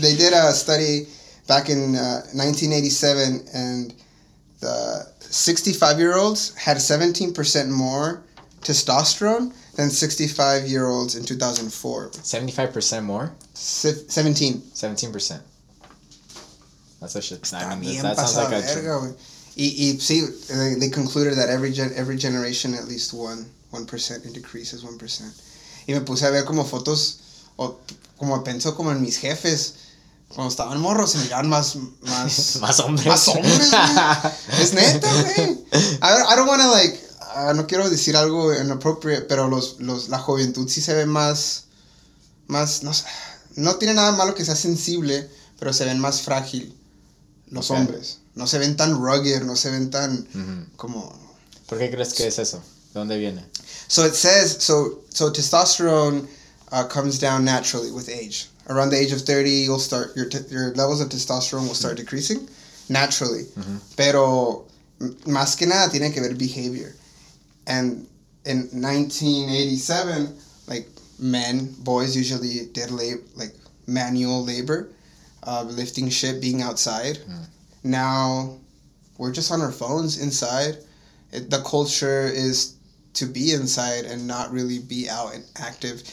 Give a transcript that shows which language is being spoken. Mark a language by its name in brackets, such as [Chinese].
[English] They did a study back in 1987, and the 65-year-olds had 17% more testosterone than 65-year-olds in 2004. 75% more? 17%. That's a shit. See, they concluded that every generation at least 1% decreases 1%. [Spanish] Y me puse a ver como fotos, o como pensó como en mis jefes, cuando estaban morros, se miraban más más hombres. Más hombres, es neta, güey. [English] I don't want to, like, [Spanish] no quiero decir algo inappropriate, pero la juventud sí se ve más, no sé, no tiene nada malo que sea sensible, pero se ven más frágil. Los hombres. No se ven tan rugged, no se ven tan como... ¿Por qué crees que es eso? ¿De dónde viene? [English] So it says, so testosterone comes down naturally with age. Around the age of 30, you'll start, your levels of testosterone will start decreasing naturally. Mm-hmm. [Spanish] Pero más que nada tiene que ver behavior. [English] And in 1987, like, men, boys usually did like manual labor. Lifting shit, being outside. Mm. Now, we're just on our phones inside. The culture is to be inside and not really be out and active.